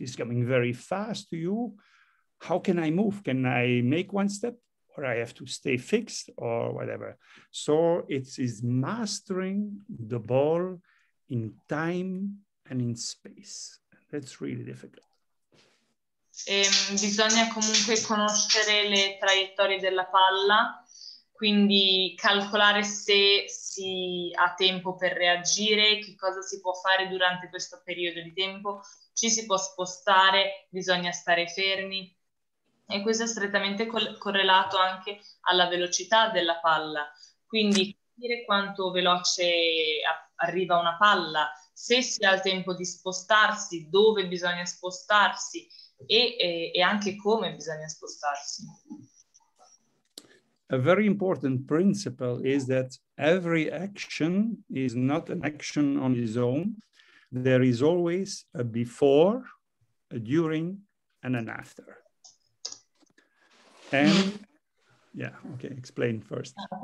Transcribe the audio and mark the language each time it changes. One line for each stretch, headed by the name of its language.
English: Is it coming very fast to you? How can I move? Can I make one step? Or I have to stay fixed or whatever. So it is mastering the ball in time and in space. That's really difficult.
Italian: Bisogna comunque conoscere le traiettorie della palla, quindi calcolare se si ha tempo per reagire, che cosa si può fare durante questo periodo di tempo, ci si può spostare, bisogna stare fermi. e questo è strettamente correlato anche alla velocità della palla. Quindi capire quanto veloce arriva una palla, se si ha il tempo di spostarsi, dove bisogna spostarsi e anche come bisogna spostarsi.
English: A very important principle is that every action is not an action on its own. There is always a before, a during, and an after. And yeah, okay, explain first.